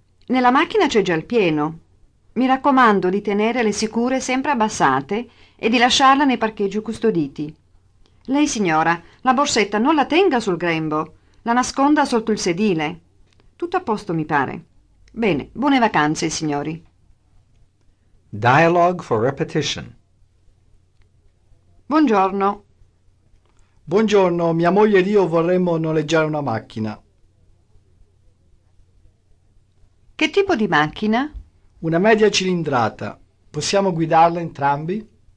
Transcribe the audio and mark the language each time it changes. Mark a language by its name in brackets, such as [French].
[Italian] Nella macchina c'è già il pieno. Mi raccomando di tenere le sicure sempre abbassate e di lasciarla nei parcheggi custoditi. Lei, signora, la borsetta non la tenga sul grembo, la nasconda sotto il sedile. Tutto a posto, mi pare. Bene, buone vacanze, signori. [English] Dialogue for repetition. [Italian] Buongiorno. Buongiorno, mia moglie ed io vorremmo noleggiare una macchina. Che tipo di macchina? Una media cilindrata. Possiamo guidarla entrambi?